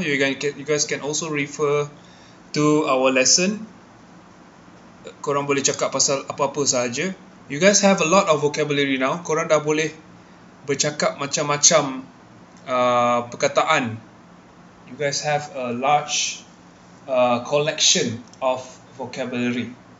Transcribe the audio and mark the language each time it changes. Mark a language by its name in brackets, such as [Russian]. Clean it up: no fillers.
[English] You guys can also refer to our lesson. [Malay] Korang boleh cakap pasal apa-apa sahaja. [English] You guys have a lot of vocabulary now. Korang dah boleh bercakap macam-macam perkataan. You guys have a large collection of vocabulary.